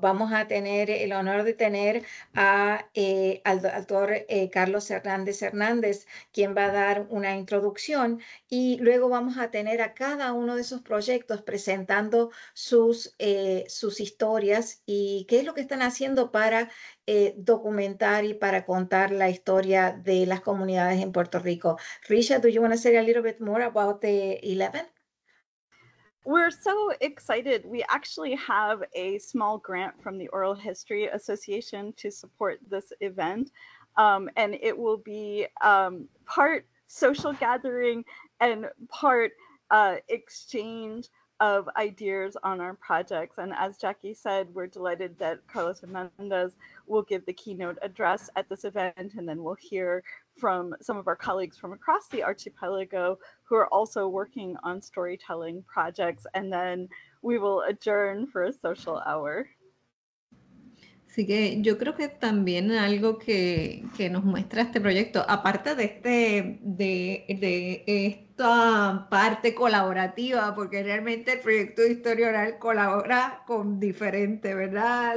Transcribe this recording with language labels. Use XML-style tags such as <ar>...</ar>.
<es>Vamos a tener el honor de tener a, al doctor Carlos Hernández Hernández, quien va a dar una introducción, y luego vamos a tener a cada uno de esos proyectos presentando sus, sus historias y qué es lo que están haciendo para documentar y para contar la historia de las comunidades en Puerto Rico.</es> <en>Risha, do you want to say a little bit more about the 11th? We're so excited. We actually have a small grant from the Oral History Association to support this event. And it will be part social gathering and part exchange of ideas on our projects. And as Jackie said, we're delighted that Carlos Hernandez will give the keynote address at this event. And then we'll hear from some of our colleagues from across the archipelago who are also working on storytelling projects. And then we will adjourn for a social hour.</en> <es>Así que yo creo que también algo que nos muestra este proyecto, aparte de este de esta parte colaborativa, porque realmente el proyecto de historia oral colabora con diferentes, ¿verdad?</es>